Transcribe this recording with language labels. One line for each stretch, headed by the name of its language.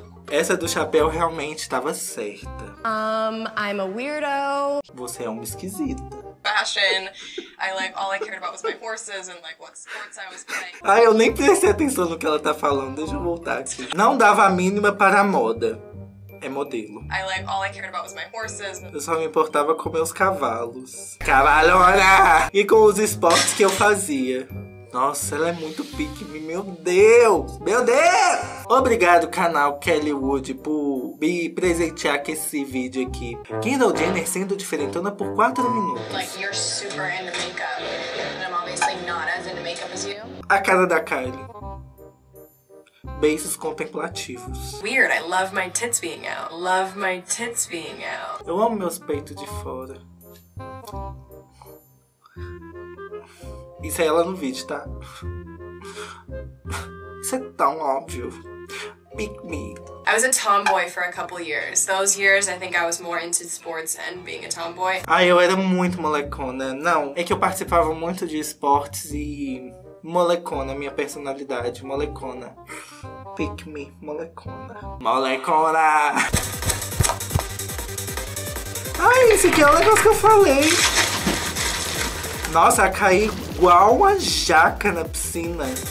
Portuguese: Essa do chapéu realmente estava certa.
English: I'm a weirdo.
Portuguese: Você é uma esquisita.
English: Fashion. All I cared about was my horses and, like, what sports I was playing.
Portuguese: Ai, eu nem prestei atenção no que ela tá falando. Deixa eu voltar aqui. Não dava a mínima para a moda. É modelo.
English: All I cared about was my horses.
Portuguese: Eu só me importava com meus cavalos. Cavalona! E com os esportes que eu fazia. Nossa, ela é muito pique, meu Deus! Meu Deus! Obrigado, canal Kelly Wood, por me presentear com esse vídeo aqui. Kendall Jenner sendo diferentona por 4 minutos.
English: Like, you're super into makeup. And I'm obviously not as into makeup as you.
Portuguese: A cara da Kylie. Beijos contemplativos.
English: Weird, I love my tits being out. Love my tits being out.
Portuguese: Eu amo meus peitos de fora. Isso é ela no vídeo, tá? Isso é tão óbvio.
English: Pick me. I was a tomboy for a couple years. Those years, I think I was more into sports and being a tomboy.
Portuguese: Ah, eu era muito molecona. Não, é que eu participava muito de esportes e... Molecona, minha personalidade. Molecona.
English: Pick me,
Portuguese: molecona. Molecona! Ai, esse aqui é o negócio que eu falei. Nossa, caí igual uma jaca na piscina.